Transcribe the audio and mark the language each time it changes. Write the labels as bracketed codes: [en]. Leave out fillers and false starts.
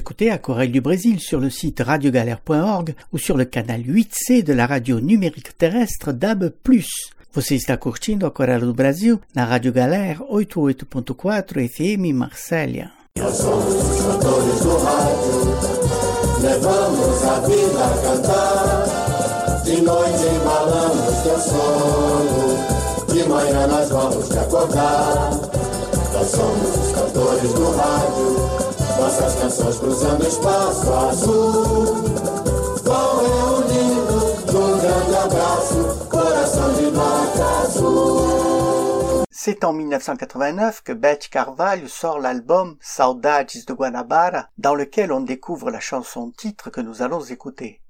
[fr] À Corée du Brésil sur le site radiogalère.org ou sur le canal 8C de la radio numérique terrestre DAB+. [pt] Você está curtindo a Corée do Brasil na Radio Galère 88.4 FM Marselha. Nossas canções cruzando espaço azul. Vão reunindo num grande abraço, coração de vaca azul. [fr] C'est en 1989 que Beth Carvalho sort l'album Saudades de Guanabara, dans lequel on découvre la chanson-titre que nous allons écouter.